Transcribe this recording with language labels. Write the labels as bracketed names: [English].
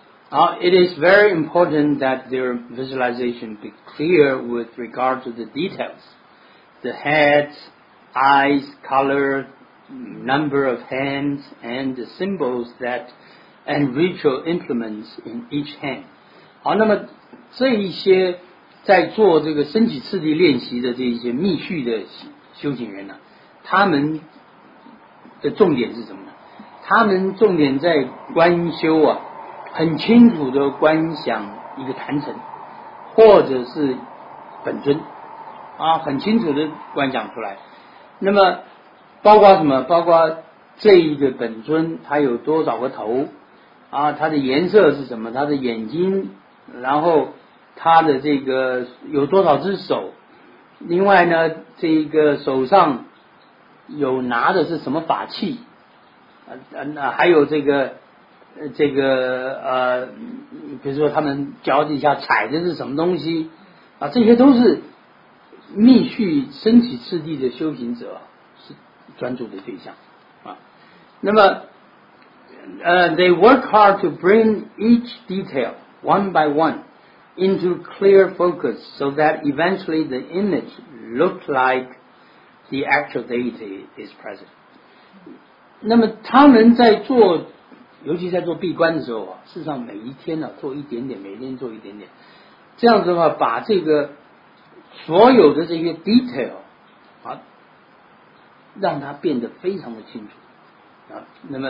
[English] It is very important that their visualization be clear with regard to the details. The head, eyes, color, number of hands, and the symbols that and ritual implements in each hand. [Chinese] 好，那么这一些在做这个身体次第练习的这一些密续的修行人呢，他们的重点是什么呢？他们重点在观修啊，很清楚的观想一个坛城或者是本尊啊，很清楚的观想出来。那么包括什么？包括这一个本尊它有多少个头啊，它的颜色是什么，它的眼睛，然后它的这个有多少只手，另外呢这个手上有拿的是什么法器，还有这个比如说他们脚底下踩的是什么东西啊，这些都是密续身体次第的修行者是专注的对象啊。 [English] 那么they work hard to bring each detail one by one into clear focus so that eventually the image looked like the actual deity is present. [Chinese] 那么他们在做尤其在做闭关的时候，事实上每一天做一点点，每一天做一点点，这样子的话把这个所有的这些 detail 让它变得非常的清楚。